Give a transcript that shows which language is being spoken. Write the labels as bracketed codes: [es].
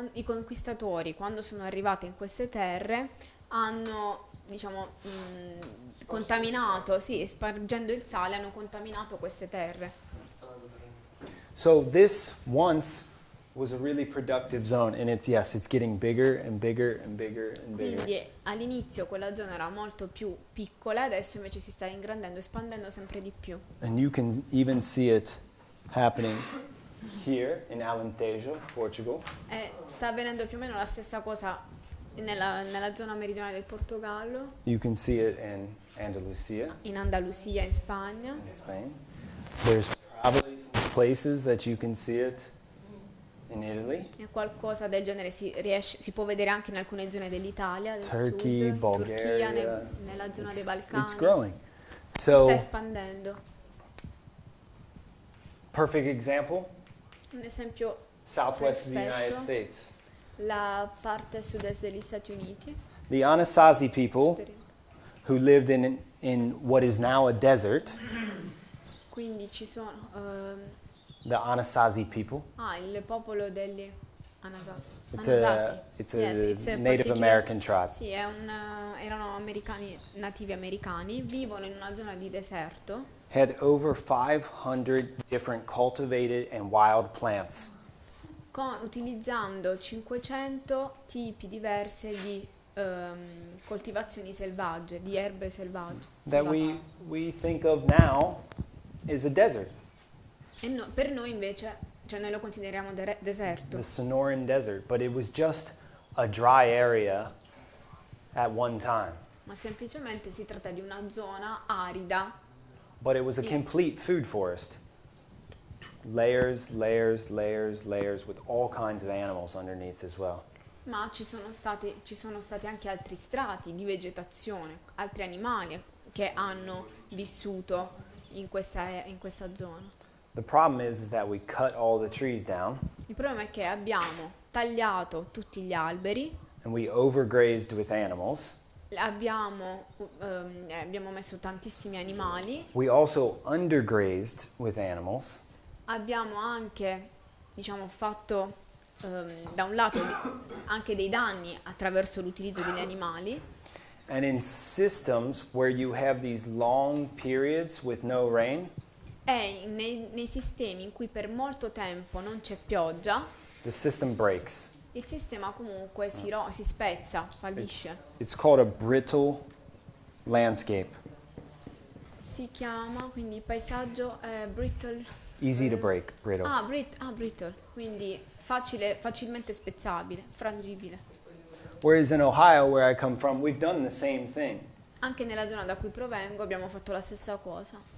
[it] I conquistatori, quando sono arrivati in queste terre, hanno, diciamo, contaminato, sì, spargendo il sale, hanno contaminato queste terre. [en] So this once was a really productive zone, and it's getting bigger and bigger and bigger and bigger. [it] Quindi all'inizio quella zona era molto più piccola, adesso invece si sta ingrandendo, espandendo sempre di più. [en] And you can even see it happening here in Alentejo, Portugal. [it] E sta avvenendo più o meno la stessa cosa nella zona meridionale del Portogallo. [en] You can see it in Andalusia. [it] In Andalusia, in Spagna. [en] In Spain. There's probably some places that you can see it in Italy. [it] E qualcosa del genere si può vedere anche in alcune zone dell'Italia, del [en] Turkey, [it] sud, [en] Bulgaria, [it] nella zona dei Balcani. [en] It's growing. [it] So, si sta espandendo. [en] Perfect example. [it] Un esempio. [en] Southwest of the United States. [it] La parte sud-est degli Stati Uniti. [en] The Anasazi people, who lived in what is now a desert. [it] Quindi ci sono. [en] The Anasazi people. [it] Ah, il popolo degli Anasazi. [en] It's a Native American tribe. [it] Sì, erano americani, nativi americani, vivono in una zona di deserto. [en] Had over 500 different cultivated and wild plants. [it] Utilizzando 500 tipi diversi di coltivazioni selvagge, di erbe selvagge. [en] That we think of now is a desert. [it] E no, per noi invece, cioè noi lo consideriamo deserto. [en] The Sonoran Desert, but it was just a dry area at one time. [it] Ma semplicemente si tratta di una zona arida [en] but it was a complete food forest. Layers, layers, layers, layers with all kinds of animals underneath as well. [it] Ma ci sono stati anche altri strati di vegetazione, altri animali che hanno vissuto in questa zona. [en] The problem is that we cut all the trees down. [it] Il problema è che abbiamo tagliato tutti gli alberi. [en] And we overgrazed with animals. [it] Abbiamo messo tantissimi animali. [en] We also undergrazed with animals. [it] Abbiamo anche, diciamo, fatto da un lato anche dei danni attraverso l'utilizzo degli animali. [en] And in systems where you have these long periods with no rain. [it] E nei sistemi in cui per molto tempo non c'è pioggia. [en] The system breaks. [it] Il sistema comunque si spezza, fallisce. [en] It's called a brittle landscape. [it] Si chiama quindi paesaggio brittle. [en] Easy to break, brittle. [it] Brittle, quindi facilmente spezzabile, frangibile. [en] Whereas in Ohio, where I come from, we've done the same thing. [it] Anche nella zona da cui provengo abbiamo fatto la stessa cosa.